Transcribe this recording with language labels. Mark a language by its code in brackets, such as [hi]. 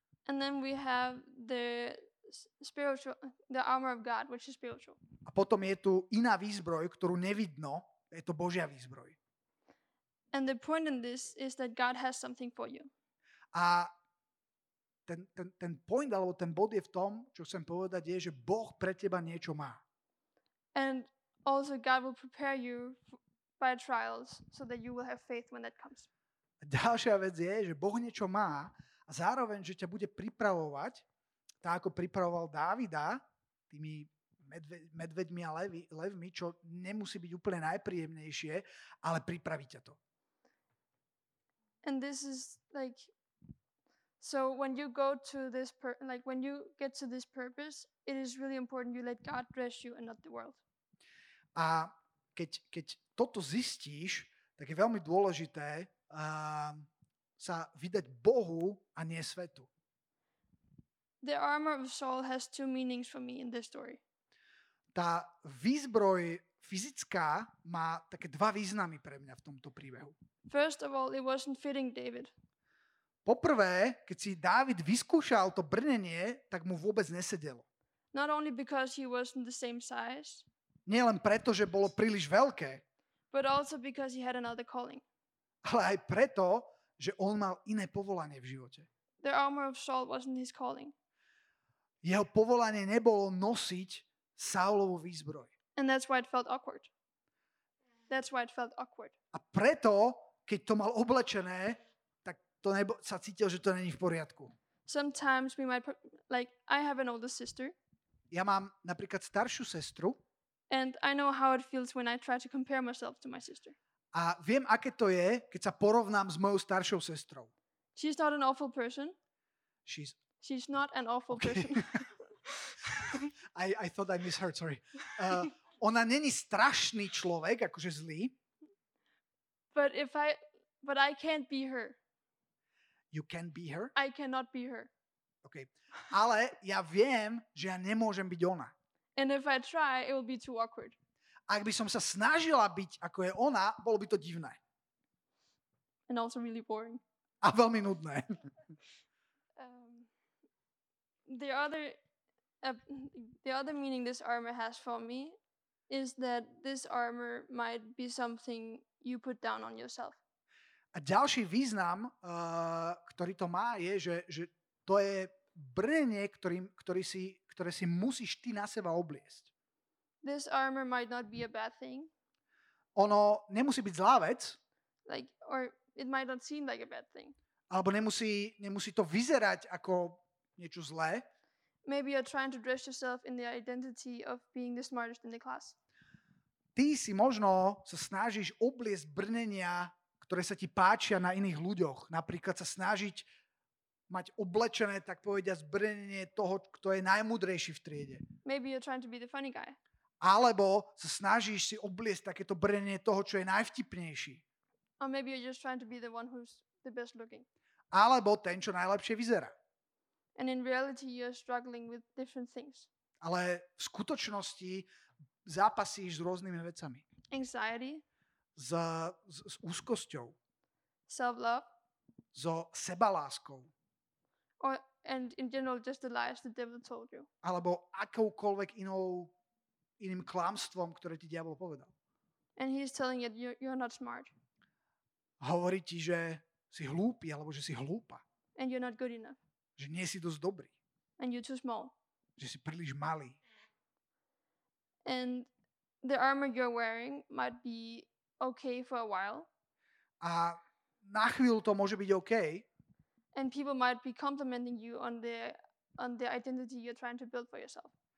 [en] And then we have the spiritual, the armor of God, which is spiritual. [sk] A potom je tu iná výzbroj, ktorú nevidno, je to Božia výzbroj. [en] And the point in this is that God has something for you. [sk] A ten point alebo ten bod je v tom, čo chcem povedať, je, že Boh pre teba niečo má. [en] And also God will prepare you by trials so that you will have faith when that comes. [sk] A ďalšia vec je, že Boh niečo má a zároveň, že ťa bude pripravovať, tak ako pripravoval Dávida tými medveďmi a levmi, čo nemusí byť úplne najpríjemnejšie, ale pripraví ťa to. [en] And this is like, so when you go to this, like when you get to this purpose, it is really important you let God dress you and not the world. [sk] A keď toto zistíš, tak je veľmi dôležité sa vydať Bohu a nie svetu. [en] The armor of soul has two meanings for me in this story. [sk] Tá výzbroj fyzická má také dva významy pre mňa v tomto príbehu. [en] First of all, it wasn't fitting David. [sk] Poprvé, keď si Dávid vyskúšal to brnenie, tak mu vôbec nesedelo. [en] Not only because he wasn't the same size. [sk] Nie len preto, že bolo príliš veľké. [en] But also because he had another calling. [sk] Ale aj preto, že on mal iné povolanie v živote. [en] The armor of Saul wasn't his calling. [sk] Jeho povolanie nebolo nosiť Saulovú výzbroj. [en] And that's why it felt awkward. That's why it felt awkward. [sk] A preto, keď to mal oblečené, tak to sa cítil, že to není v poriadku. [en] Sometimes we might like I have an older sister. [sk] Ja mám napríklad staršiu sestru. [en] And I know how it feels when I try to compare myself to my sister. [sk] A viem, aké to je, keď sa porovnám s mojou staršou sestrou. [en] She's not an awful person. She's not an awful okay. person. I thought I misheard, sorry. [sk] Ona není strašný človek, akože zlý. [en] But I can't be her. You can't be her? I cannot be her. Okay. [sk] Ale ja viem, že ja nemôžem byť ona. [en] And if I try, it will be too awkward. [sk] Ak by som sa snažila byť ako je ona, bolo by to divné. [en] And also really boring. [sk] A veľmi nudné. [en] The other meaning this armor has for me is that this armor might be something you put down on yourself. [sk] A ďalší význam, ktorý to má, je, že to je brnenie, ktoré si musíš ty na seba obliesť. [en] This armor might not be a bad thing. [sk] Ono nemusí byť zlá vec. [en] Like, or it might not seem like a bad thing. [sk] Alebo nemusí to vyzerať ako niečo zlé. [en] Maybe you're trying to dress yourself in the identity of being the smartest in the class. [sk] Ty si možno sa snažíš obliecť brnenia, ktoré sa ti páčia na iných ľuďoch. Napríklad sa snažiť mať oblečené, tak povedia, zbrnenie toho, kto je najmudrejší v triede. [en] Maybe you're trying to be the funny guy. [sk] Alebo sa snažíš si obliecť takéto brnenie toho, čo je najvtipnejší. [en] Or maybe you're just trying to be the one who's the best looking. [sk] Alebo ten, čo najlepšie vyzerá. [en] And in reality you're struggling with different things. [sk] Ale v skutočnosti zápasíš s rôznymi vecami. [en] Anxiety. [sk] S úzkosťou. [en] Self-love. [sk] So sebaláskou. [en] Or, and in general just the lies the devil told you. [sk] Alebo akoukoľvek iným klamstvom, ktoré ti diabol povedal. [en] And he's telling you you're not smart. [sk] Hovorí ti, že si hlúpy, alebo že si hlúpa. [en] And you're not good enough. [sk] Že nie si dosť dobrý. [en] And you're too small. [sk] Že si príliš malý. [en] And the armor you're wearing might be okay for a while. [sk] A na chvíľu to môže byť okay. [en] And people might be complimenting you on the identity you're trying to build for yourself.